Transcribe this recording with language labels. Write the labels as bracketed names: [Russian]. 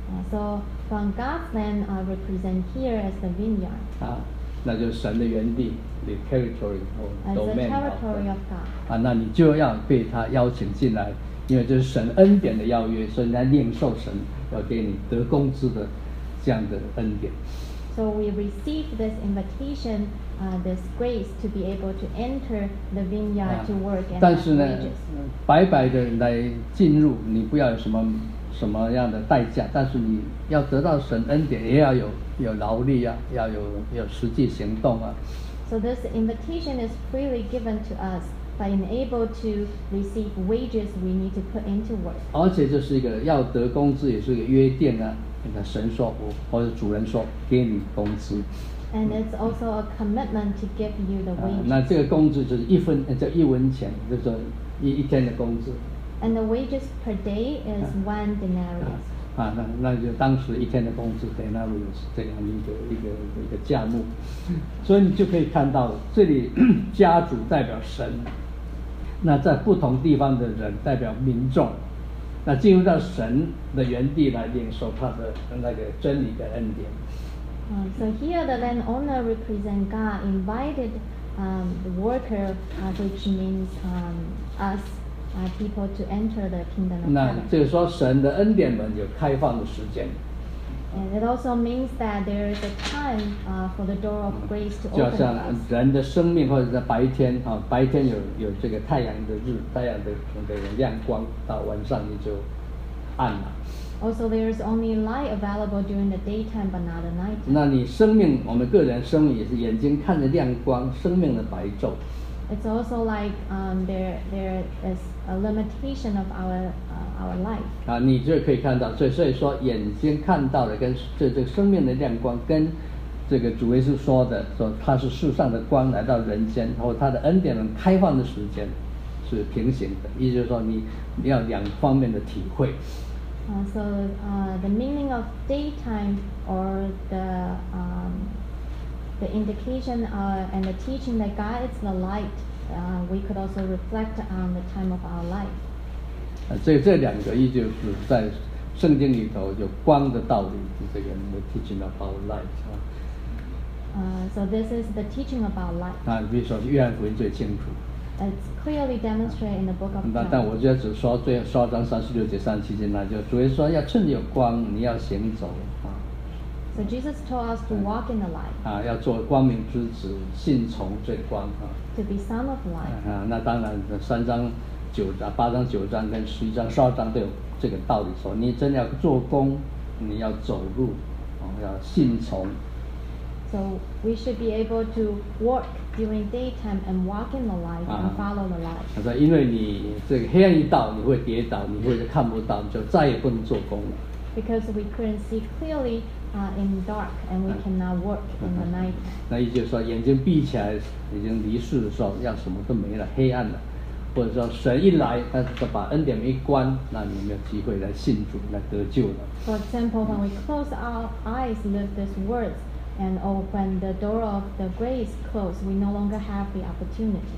[English] So from God's land, represent here as the vineyard. [Chinese] 那就是神的园地 ， [English] the territory or domain. As the territory of God. [Chinese] 那你就要被他邀请进来。因为这是神恩典的邀约所以你来领受神要给你得工资的这样的恩典 [English] So we receive this invitation this grace to be able to enter the vineyard to work and [Chinese] 但是呢白白的来进入你不要有什么样的代价但是你要得到神恩典也要有劳力啊要有实际行动啊 [English] So this invitation is freely given to us by enable to receive wages we need to put into work [Chinese] 而且就是一个要得工资也是一个约定啊神说或者主人说给你工资 [English] and it's also a commitment to give you the wages [Chinese] 那这个工资就是一文钱就是一天的工资 [English] and the wages per day is one denarius [Chinese] 那就当时一天的工资 denarius 这样一个价目所以你就可以看到这里家主代表神那在不同地方的人代表民众那进入到神的园地来领受他的那个真理的恩典 [English] So here the landowner represents God invited the worker which means us people to enter the kingdom of God [Chinese] 那就是说神的恩典门有开放的时间 [English] And it also means that there is a time for the door of grace to open [Chinese] 就好像人的生命或者在白天白天有这个太阳的日太阳的亮光到晚上你就暗了 [English] Also there is only light available during the daytime but not the night [Chinese] 那你生命我们个人生命也是眼睛看着亮光生命的白昼 [English] It's also like there is a limitation of our life [Chinese] 你就可以看到所以说眼睛看到的跟这个生命的亮光跟这个主耶稣说的说他是世上的光来到人间然后他的恩典能开放的时间是平行的意思就是说你要两方面的体会 [English] So the meaning of daytime or the indication and the teaching that God is the light we could also reflect on the time of our life [Chinese] 这两个意就是在圣经里头有光的道理这个 [English] the teaching about light So this is the teaching about light [Chinese] 比如说约翰福音最清楚 [English] It's clearly demonstrated in the book of John [Chinese] 但我就只说最后12章36节37节那就主耶稣说要趁着有光你要行走 [English] So Jesus told us to walk in the light [Chinese] 要做光明之子信从这光 [English] To be son of light [Chinese] 那当然三章八章九章跟十一章十二章都有这个道理说你真的要做工你要走路要信从 [English] So we should be able to walk during daytime and walk in the light and follow the light [Chinese] 说因为你这个黑暗一到你会跌倒你会看不到你就再也不能做工了 [English] Because we couldn't see clearly in the dark, and we cannot work in the night. [Chinese] 那也就是说，眼睛闭起来，已经离世的时候，要什么都没了，黑暗了。或者说，神一来，他把恩典门一关，那你没有机会来信主、来得救了。 [English] For example, when we close our eyes, lift these words, and open the door of the grace closed, we no longer have the opportunity.